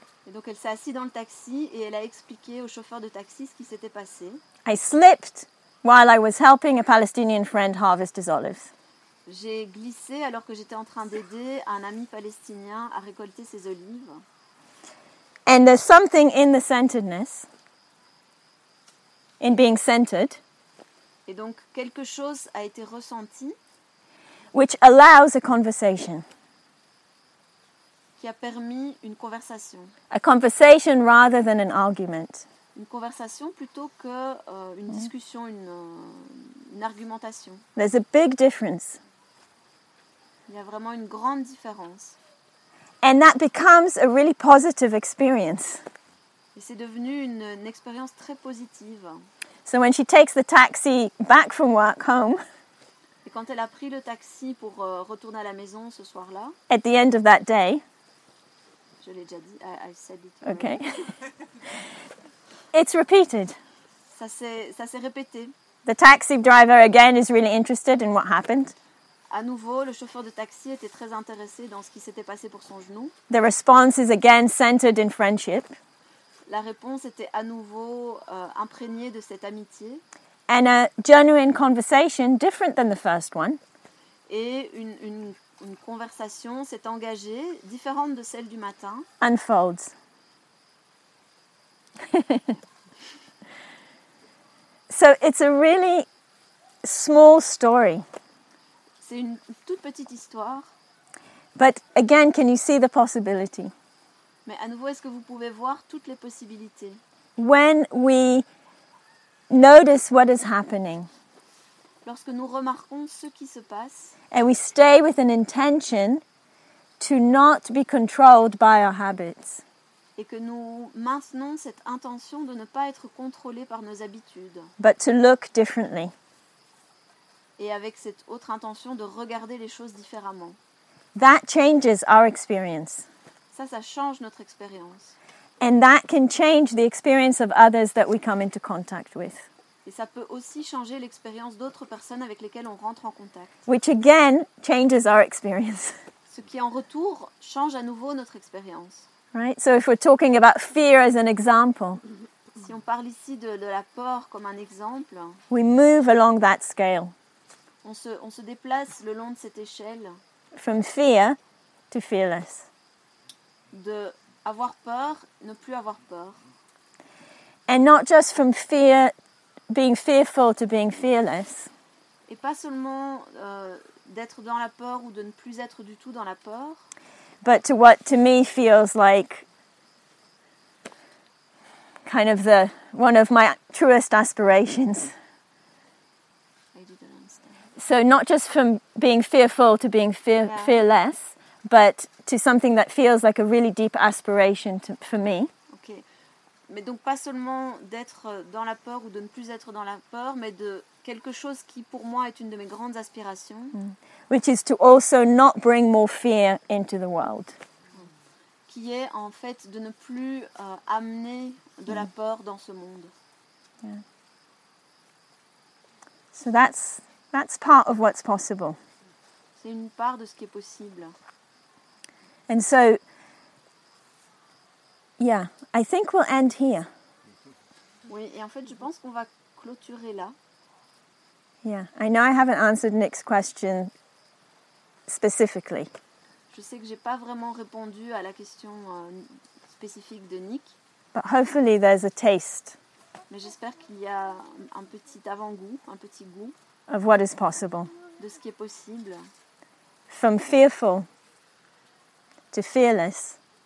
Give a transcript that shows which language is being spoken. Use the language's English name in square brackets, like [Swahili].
[French] Et donc elle s'est assise dans le taxi et elle a expliqué au chauffeur de taxi ce qui s'était passé. [English] I slipped while I was helping a Palestinian friend harvest his olives. [French] J'ai glissé alors que j'étais en train d'aider un ami palestinien à récolter ses olives. [English] And there's something in the centeredness, in being centered. [French] Et donc quelque chose a été ressenti, [English] which allows a conversation. [French] Qui a permis une conversation. [English] A conversation rather than an argument. [French] Une conversation plutôt que une discussion, une argumentation. [English] There's a big difference. [French] Il y a vraiment une grande différence. [English] And that becomes a really positive experience. [French] Et c'est devenu une expérience très positive. [English] So when she takes the taxi back from work home. [French] Et quand elle a pris le taxi pour retourner à la maison ce soir-là. [English] At the end of that day. [French] Je l'ai déjà dit. [English] I said it. Okay. It's repeated. [French] Ça s'est répété. [English] The taxi driver again is really interested in what happened. [French] À nouveau, le chauffeur de taxi était très intéressé dans ce qui s'était passé pour son genou. [English] The response is again centered in friendship. [French] La réponse était à nouveau imprégnée de cette amitié. [English] And a genuine conversation, different than the first one. [French] Et une conversation s'est engagée, différente de celle du matin. [English] Unfolds. So it's a really small story. [French] C'est une toute petite histoire. [English] But again, can you see the possibility? [French] Mais à nouveau, est-ce que vous pouvez voir toutes les possibilités? [English] When we notice what is happening. [French] Lorsque nous remarquons ce qui se passe. [English] And we stay with an intention to not be controlled by our habits. [French] Et que nous maintenons cette intention de ne pas être contrôlé par nos habitudes. [English] But to look differently. [French] Et avec cette autre intention de regarder les choses différemment. [English] That changes our experience. [French] Ça change notre expérience. [English] And that can change the experience of others that we come into contact with. [French] Et ça peut aussi changer l'expérience d'autres personnes avec lesquelles on rentre en contact. [English] Which again changes our experience. [French] Ce qui en retour change à nouveau notre expérience. [English] Right? So if we're talking about fear as an example. [French] Si on parle ici de la peur comme un exemple. [English] We move along that scale. [French] On se déplace le long de cette échelle. [English] From fear to fearless. [French] De avoir peur, ne plus avoir peur. [English] And not just from fear, being fearful to being fearless. [French] Et pas seulement d'être dans la peur ou de ne plus être du tout dans la peur. [English] But to what to me feels like kind of the one of my truest aspirations. So not just from being fearful to being fearless, but to something that feels like a really deep aspiration to, for me. Okay. [French] Mais donc pas seulement d'être dans la peur ou de ne plus être dans la peur, mais de quelque chose qui pour moi est une de mes grandes aspirations. Mm. [English] Which is to also not bring more fear into the world. [French] Qui est en fait de ne plus amener de la peur dans ce monde. [English] Yeah. So that's part of what's possible. [French] C'est une part de ce qui est possible. [English] And so, yeah, I think we'll end here. [French] Oui, et en fait, je pense qu'on va clôturer là. [English] Yeah, I know I haven't answered Nick's question specifically. [French] Je sais que j'ai pas vraiment répondu à la question spécifique de Nick. [English] But hopefully there's a taste. [French] Mais j'espère qu'il y a un petit avant-goût, un petit goût. [English] Of what is possible. [French] De ce qui est possible. [English] From fearful to fearless.